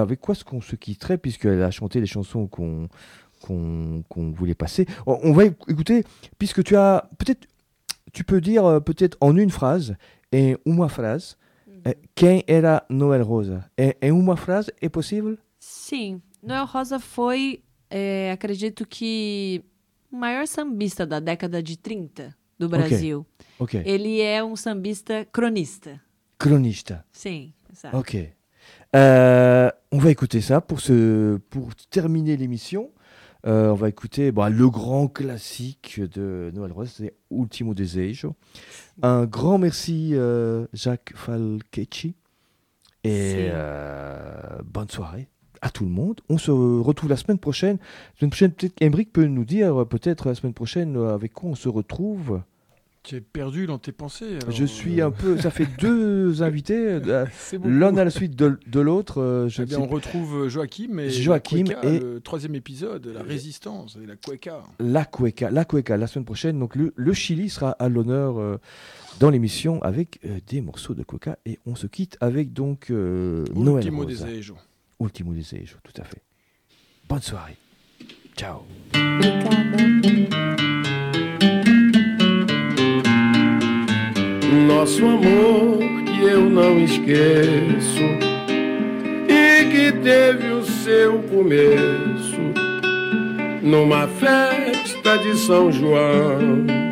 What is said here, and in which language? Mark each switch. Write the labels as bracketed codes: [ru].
[fr] Avec quoi est-ce qu'on se quitterait puisqu'elle a chanté les chansons qu'on voulait passer ? On va écouter, puisque tu as peut-être, tu peux dire peut-être en une phrase, en une phrase, [pt] quem era Noel Rosa ? [fr] En une phrase, est possible ? [pt] Si. Noel Rosa foi, acredito que, o maior sambista da década de 30 do Brasil. Ok. Okay. Ele é um sambista cronista. Cronista. Sim, exato. Ok. [fr] On va écouter ça pour terminer l'émission. On va écouter le grand classique de Noel Rosa, c'est Último Desejo. Un grand merci, Jacques Falchetti. Et bonne soirée. À tout le monde. On se retrouve la semaine prochaine. La semaine prochaine, peut-être qu'Emeric peut nous dire, peut-être la semaine prochaine, avec quoi on se retrouve. Tu es perdu dans tes pensées. Alors... Je suis un peu. Ça fait deux invités, c'est beaucoup, l'un à la suite de l'autre. On retrouve Joachim et Joachim la cueca, et le troisième épisode, la résistance et la cueca. La cueca, la semaine prochaine. Donc le Chili sera à l'honneur dans l'émission avec des morceaux de cueca. Et on se quitte avec donc Noël Rosa. [pt] Último desejo. [fr] Último desejo, tout à fait. Bonne soirée. Ciao. [pt] Nosso amor que eu não esqueço e que teve o seu começo numa festa de São João.